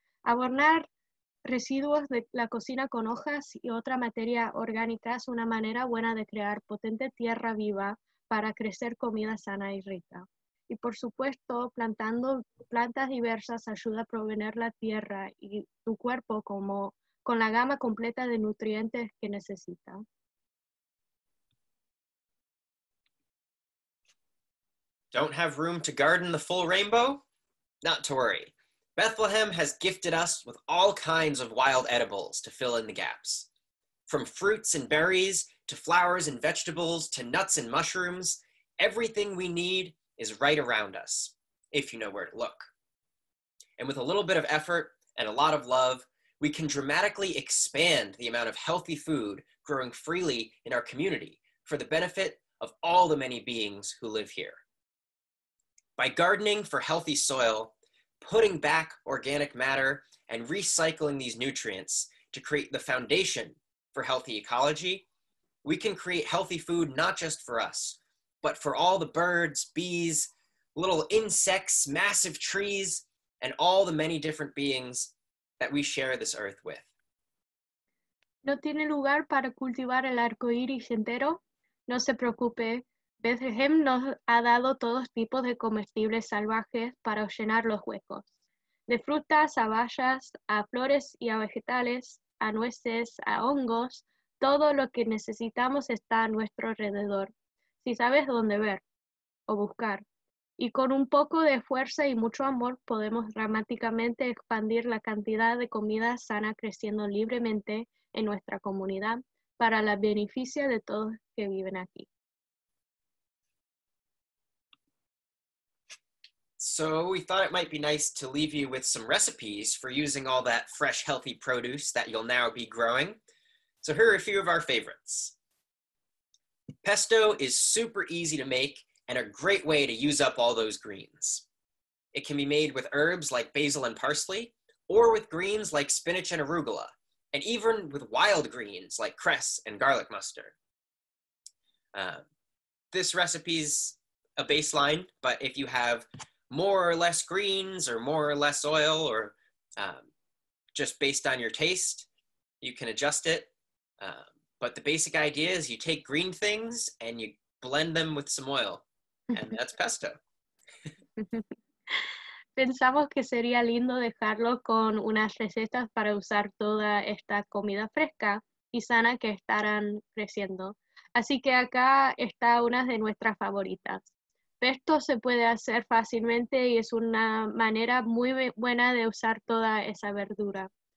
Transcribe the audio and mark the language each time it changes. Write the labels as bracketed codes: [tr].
[es] Abonar residuos de la cocina con hojas y otra materia orgánica es una manera buena de crear potente tierra viva para crecer comida sana y rica. Y por supuesto, plantando plantas diversas ayuda a provenir la tierra y tu cuerpo con la gama completa de nutrientes que necesita. [en] Don't have room to garden the full rainbow? Not to worry. Bethlehem has gifted us with all kinds of wild edibles to fill in the gaps. From fruits and berries, to flowers and vegetables, to nuts and mushrooms, everything we need is right around us, if you know where to look. And with a little bit of effort and a lot of love, we can dramatically expand the amount of healthy food growing freely in our community for the benefit of all the many beings who live here. By gardening for healthy soil, putting back organic matter, and recycling these nutrients to create the foundation for healthy ecology, we can create healthy food not just for us, but for all the birds, bees, little insects, massive trees, and all the many different beings that we share this earth with. [es] ¿No tiene lugar para cultivar el arco iris entero? No se preocupe. Bethlehem nos ha dado todos tipos de comestibles salvajes para llenar los huecos. De frutas a bayas, a flores y a vegetales, a nueces, a hongos, todo lo que necesitamos está a nuestro alrededor, si sabes dónde ver o buscar. Y con un poco de fuerza y mucho amor podemos dramáticamente expandir la cantidad de comida sana creciendo libremente en nuestra comunidad para la beneficio de todos que viven aquí. [en] So we thought it might be nice to leave you with some recipes for using all that fresh, healthy produce that you'll now be growing. So here are a few of our favorites. Pesto is super easy to make and a great way to use up all those greens. It can be made with herbs like basil and parsley, or with greens like spinach and arugula, and even with wild greens like cress and garlic mustard. This recipe's a baseline, but if you have more or less greens, or more or less oil, or just based on your taste, you can adjust it. But the basic idea is you take green things and you blend them with some oil, and that's pesto. [es] Pensamos que sería lindo dejarlo con unas recetas para usar toda esta comida fresca y sana que estarán creciendo. Así que acá está una de nuestras favoritas. Pesto se puede hacer fácilmente y es una manera muy buena de usar toda esa verdura.